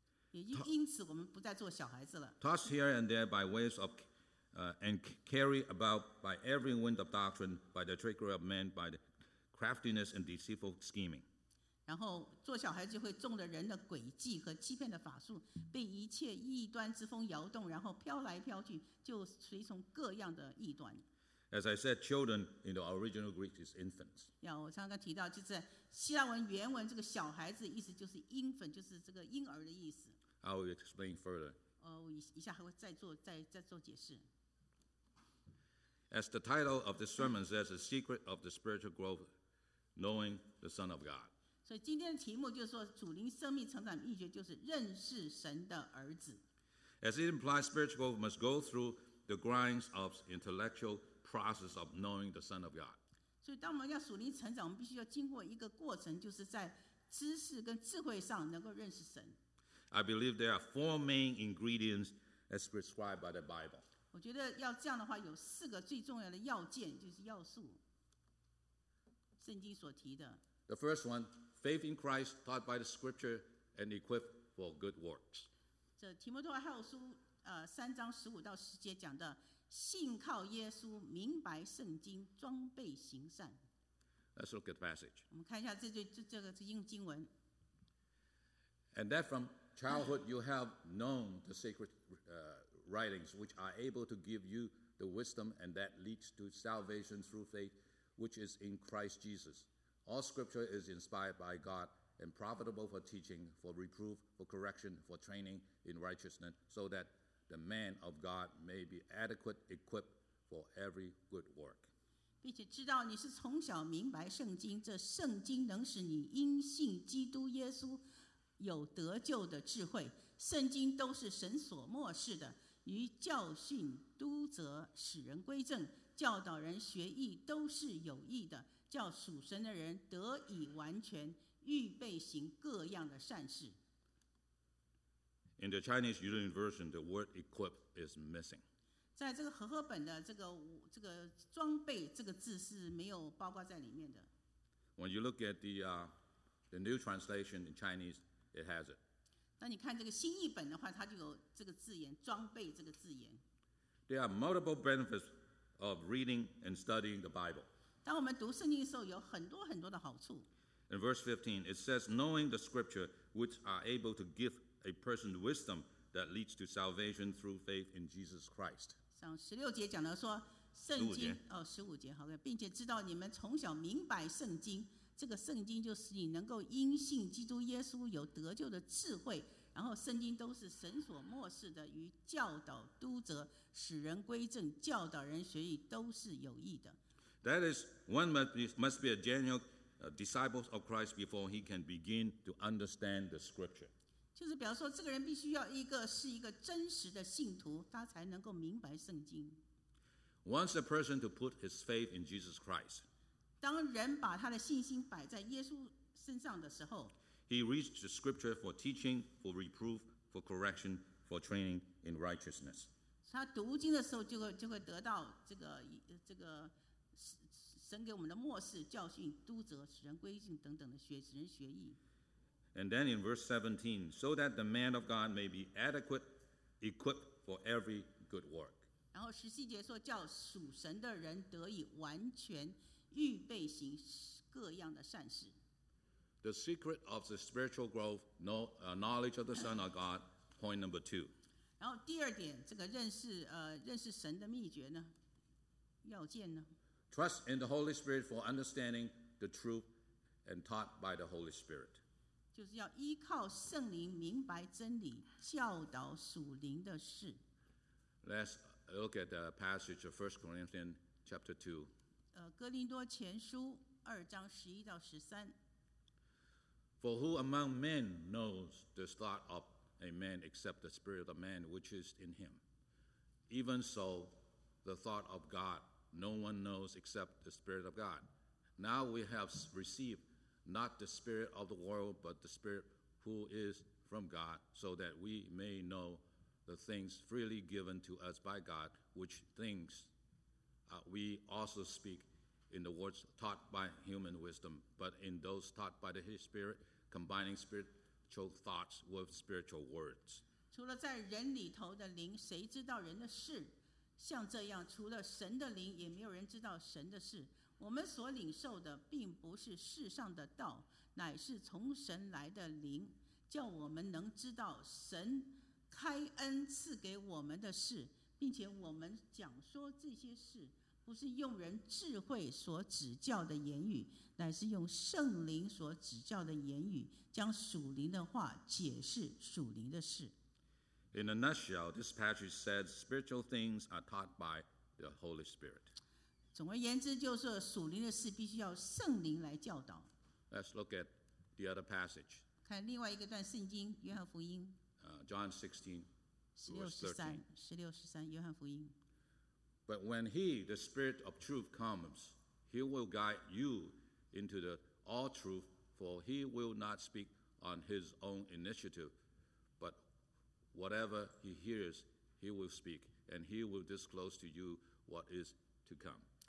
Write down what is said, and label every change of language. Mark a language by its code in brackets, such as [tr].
[zh] 也因此，我们不再做小孩子了。 [en] Tossed here and there by waves of and carried about by every wind of doctrine, by the trickery of men, by the craftiness and deceitful scheming. [zh] 然后做小孩子会中了人的诡计和欺骗的法术，被一切异端之风摇动，然后飘来飘去，就随从各样的异端。 [en] As I said, children in the original Greek is infants. [zh] 我刚刚提到，就是希腊文原文这个小孩子意思就是 infant， 就是这个婴儿的意思。 [en] I will explain further. [zh] 我一下还会再做解释。 [en] As the title of the sermon says, the secret of the spiritual growth, knowing the Son of God. [zh] 所以今天的题目就是说，属灵生命成长秘诀就是认识神的儿子。 [en] As it implies, spiritual growth must go through the grinds of intellectual process of knowing the Son of God. [zh] 所以当我们要属灵成长，我们必须要经过一个过程，就是在知识跟智慧上能够认识神。 [en] I believe there are four main ingredients as prescribed by the Bible. [zh] 我觉得要这样的话，有四个最重要的要件，就是要素，圣经所提的。 [en] The first one, faith in Christ taught by the Scripture and equipped for good works. [zh] 这提摩太后书三章十五到十节讲的，信靠耶稣，明白圣经，装备行善。 [en] Let's look at the passage. [zh] 我们看一下这个经文。 [en] And that from childhood you have known the sacred writings, which are able to give you the wisdom, and that leads to salvation through faith, which is in Christ Jesus. All Scripture is inspired by God and profitable for teaching, for reproof, for correction, for training in righteousness, so that the man of God may be adequate equipped for every good work. [zh] 并且知道你是从小明白圣经，这圣经能使你因信基督耶稣有得救的智慧。圣经都是神所默示的，与教训、督责、使人归正、教导人学义，都是有益的，叫属神的人得以完全，预备行各样的善事。 [en] In the Chinese Union version, the word "equip" is missing. [zh] 在这个和合本的这个装备这个字是没有包括在里面的。 [en] When you look at the new translation in Chinese, it has it. [zh] 当你看这个新译本的话，它就有这个字眼“装备”这个字眼。 [en] There are multiple benefits of reading and studying the Bible. [zh] 当我们读圣经的时候，有很多很多的好处。 [en] In verse 15, it says, "Knowing the Scripture, which are able to give a person's wisdom that leads to salvation through faith in Jesus Christ." [zh] 像十六节讲的说，圣经十五节好的，并且知道你们从小明白圣经，这个圣经就是你能够因信基督耶稣有得救的智慧。然后圣经都是神所默示的，与教导、督责、使人归正、教导人学义，都是有益的。 [en] That is one must be a genuine disciple of Christ before he can begin to understand the Scripture. [zh] 就是比方说，这个人必须要是一个真实的信徒，他才能够明白圣经。 [en] Once a person to put his faith in Jesus Christ, [zh] 当人把他的信心摆在耶稣身上的时候， [en] he reads the Scripture for teaching, for reproof, for correction, for training in righteousness. [zh] 他读经的时候就会得到这个神给我们的默示、教训、督责、使人归正等等的学，使人学义。 [en] And then in verse 17, so that the man of God may be adequate, equipped for every good work. [zh] 然后十七节说，叫属神的人得以完全，预备行各样的善事。 [en] The secret of the spiritual growth, knowledge of the Son of God, point number two. [zh] 然后第二点，这个认识神的秘诀呢，要件呢？ [en] Trust in the Holy Spirit for understanding the truth and taught by the Holy Spirit. [zh] 就是要依靠圣灵明白真理，教导属灵的事。 [en] Let's look at the passage of 1 Corinthians chapter 2. [zh] 哥林多前书二章十一到十三。 [en] For who among men knows the thought of a man except the spirit of man which is in him? Even so, the thought of God no one knows except the spirit of God. Now we have received. Not the spirit of the world, but the spirit who is from God, so that we may know the things freely given to us by God, which things we also speak in the words taught by human wisdom, but in those taught by the Spirit, combining spiritual thoughts with spiritual words. [zh] 除了在人里头的灵，谁知道人的事？像这样，除了神的灵，也没有人知道神的事。我们所领受的并不是世上的道，乃是从神来的灵，叫我们能知道神开恩赐给我们的事，并且我们讲说这些事，不是用人智慧所指教的言语，乃是用圣灵所指教的言语，将属灵的话解释属灵的事。 [en] In a nutshell, this passage says spiritual things are taught by the Holy Spirit. [zh] 总而言之，就是属灵的事必须要圣灵来教导。 [en] Let's look at the other passage. [zh] 看另外一个段圣经，约翰福音。 [en] John 16, verse 13. [zh] 16:13, 约翰福音。 [en] But when he, the Spirit of truth, comes, he will guide you into the all truth, for he will not speak on his own initiative, but whatever he hears, he will speak, and he will disclose to you what is to come.